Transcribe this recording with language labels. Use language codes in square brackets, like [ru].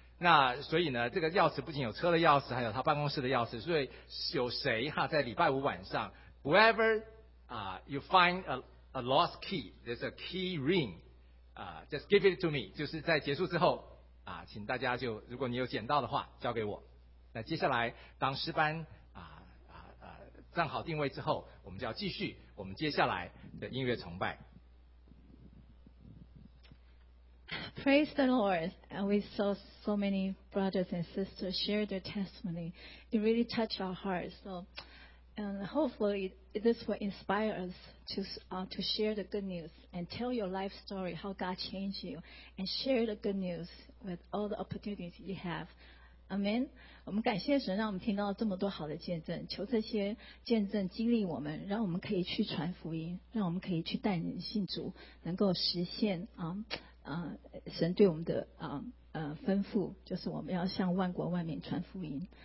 [zh] 那所以呢，这个钥匙不仅有车的钥匙，还有他办公室的钥匙，所以有谁哈在礼拜五晚上 [en] whoever 啊 you find a lost key there's a key ring 啊 just give it to me， [zh] 就是在结束之后啊，请大家就如果你有捡到的话交给我。那接下来当师班站好定位之后，我们就要继续我们接下来的音乐崇拜。 [en] Praise the Lord. And we saw so many brothers and sisters share their testimony. It really touched our hearts. So, and hopefully this will inspire us to share the good news and tell your life story, how God changed you, and share the good news with all the opportunities you have. Amen. [zh] 我们感谢神，让我们听到这么多好的见证，求这些见证激励我们，让我们可以去传福音，让我们可以去带人信主，能够实现啊。神对我们的吩咐，就是我们要向万国万民传福音。